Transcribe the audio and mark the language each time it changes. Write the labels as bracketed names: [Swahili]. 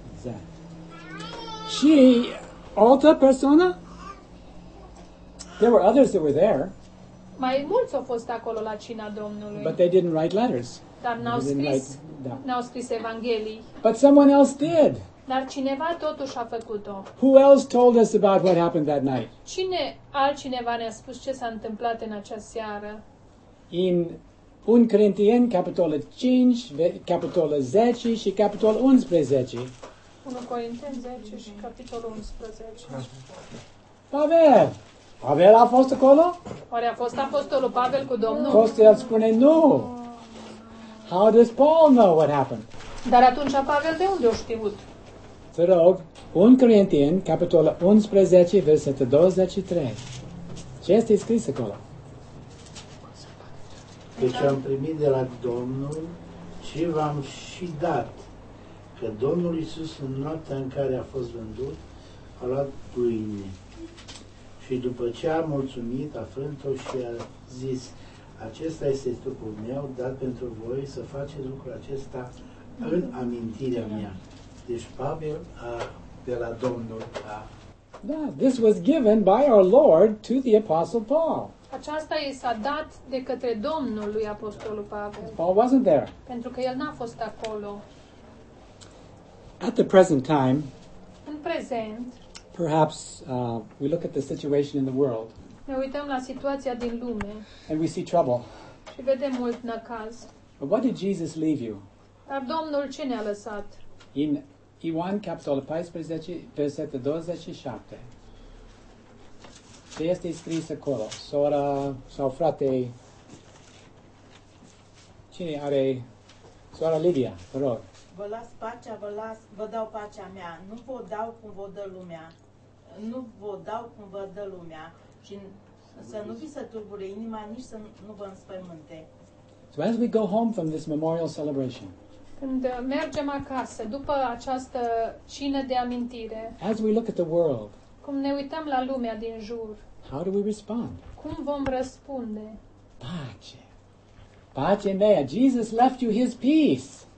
[Romanian] Exact. Și altă persoană? [English] There were others that were there. [Romanian] Mai mulți au fost acolo la cina Domnului. [English] But they didn't write letters. [Romanian] Dar n-au scris, n-au scris evanghelii. [English] But someone else did. [Romanian] Dar cineva totuși a făcut-o. [English] Who else told us about what happened that night? [Romanian] Cine altcineva ne-a spus ce s-a întâmplat în acea seară? In 1 Corinteni capitolul 5, capitolul 10 și capitolul 11. 1 Corinteni 10 și capitolul 11. Pavel. Pavel a fost acolo? Oare a fost apostolul Pavel cu Domnul? Costi el spune nu. [English] How does Paul know what happened? [Romanian] Dar atunci Pavel de unde a știut? Te rog, 1 Corinteni, capitolul 11, versetul 23. Ce este scris acolo? Deci am primit de la Domnul ce v-am și dat, că Domnul Iisus în noaptea în care a fost vândut, a luat pâine. Și după ce a mulțumit, a frânt-o și a zis, acesta este trupul meu, dat pentru voi să faceți lucrul acesta în amintirea mea. Deci Pavel de la Domnul a... [English] Da, this was given by our Lord to the Apostle Paul. [Romanian] Aceasta i s-a dat de către Domnul lui Apostolul Pavel. [English] Paul wasn't there. [Romanian] Pentru că el n-a fost acolo. [English] At the present time, [Romanian] în prezent, [English] perhaps we look at the situation in the world. [Romanian] Ne uităm la situația din lume. [English] And we see trouble. [Romanian] Și vedem mult necaz. [English] But what did Jesus leave you? [Romanian] Dar Domnul ce ne-a lăsat? In Ioan capitolul 14, versetul 27. Ce este scris acolo? Sora sau frate? Cine are? Sora Lidia, vă rog. Vă las pacea, vă dau pacea mea. Nu vă dau cum vă dă lumea. Nu vă dau cum vă dă lumea, ci să nu vi se turbure inima, nici să nu vă înspăimânte. [English] So as we go home from this memorial celebration, [Romanian] când mergem acasă după această cină de amintire, [English] as we look at the world, [Romanian] cum ne uităm la lumea din jur, [English] how do we respond? [Romanian] Cum vom răspunde? Pace. Pace în ea. [English] Jesus left you his peace.